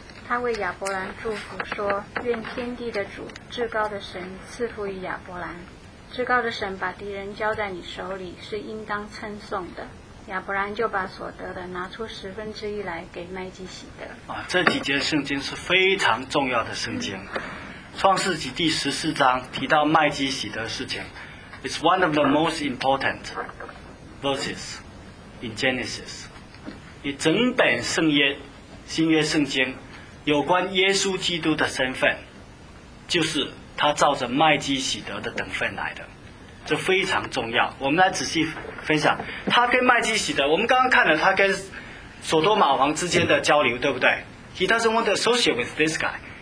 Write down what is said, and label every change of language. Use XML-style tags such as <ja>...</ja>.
<zh>他为亚伯兰祝福说：愿天地的主至高的神赐福于亚伯兰，至高的神把敌人交在你手里是应当称颂的。亚伯兰就把所得的拿出十分之一来给麦基洗德。这几节圣经是非常重要的圣经，创世纪第十四章提到麦基洗德事情。</zh> <en>It's one of the most important verses in Genesis.</en> <zh>以整本圣约、新约圣经有关耶稣基督的身份，就是他照着麦基洗德的等份来的，这非常重要。我们来仔细分享他跟麦基洗德。我们刚刚看了他跟索多玛王之间的交流，对不对 ？</zh> <en>He doesn't want to associate with this guy.</en>